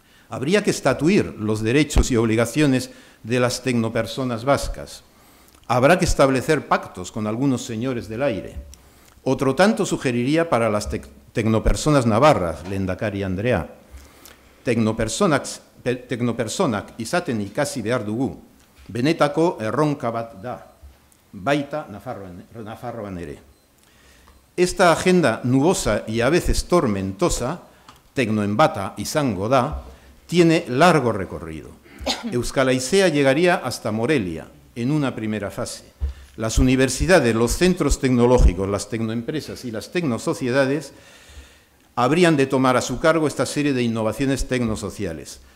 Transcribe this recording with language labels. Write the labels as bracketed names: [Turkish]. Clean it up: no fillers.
[Spanish] Habría que estatuir los derechos y obligaciones de las tecnopersonas vascas. Habrá que establecer pactos con algunos señores del aire. Otro tanto sugeriría para las tecnopersonas navarras, Lehendakari Andrea. [Basque] Tecnopersonak izaten ikasi behar dugu. Benetako erronka bat da. Baita Nafarroan ere. [Spanish] Esta agenda nubosa y a veces tormentosa, [Basque] tecnoembata izango da, [Spanish] tiene largo recorrido. Euskal Haizea llegaría hasta Morelia en una primera fase. Las universidades, los centros tecnológicos, las tecnoempresas y las tecnosociedades habrían de tomar a su cargo esta serie de innovaciones tecnosociales.